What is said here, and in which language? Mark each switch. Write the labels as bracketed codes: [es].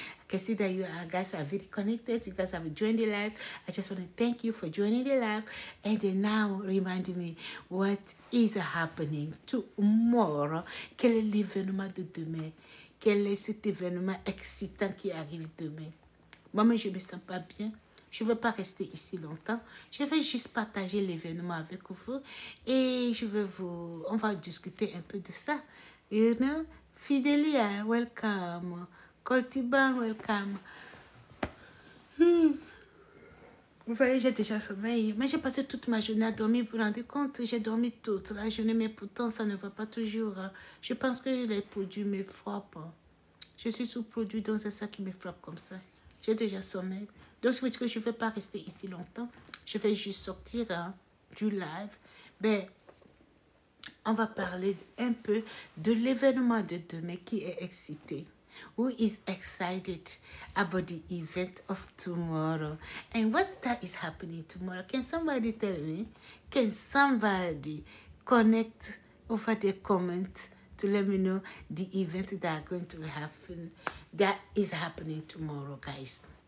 [en] I can see that guys are very connected. You guys have joined the live. I just want to thank you for joining the live. And now remind me what is happening tomorrow. [fr] Quel est l'événement de demain? Quel est cet événement excitant qui arrive demain? Maman, je ne me sens pas bien. Je ne veux pas rester ici longtemps. Je vais juste partager l'événement avec vous. Et je vais vous... On va discuter un peu de ça. [en] You know? Fidelia, welcome. [fr] Coltiban, welcome. Vous voyez, j'ai déjà sommeil. Mais j'ai passé toute ma journée à dormir. Vous vous rendez compte? J'ai dormi toute la journée. Mais pourtant, ça ne va pas toujours. Je pense que les produits me frappent. Je suis sous-produit, donc c'est ça qui me frappe comme ça. J'ai déjà sommeil. Donc, c'est parce que je ne vais pas rester ici longtemps. Je vais juste sortir du live. Ben, on va parler un peu de l'événement de demain qui est excité. [en] Who is excited about the event of tomorrow? And what that is happening tomorrow? Can somebody tell me? Can somebody connect over the comment to let me know the event that are going to happen, that is happening tomorrow, guys?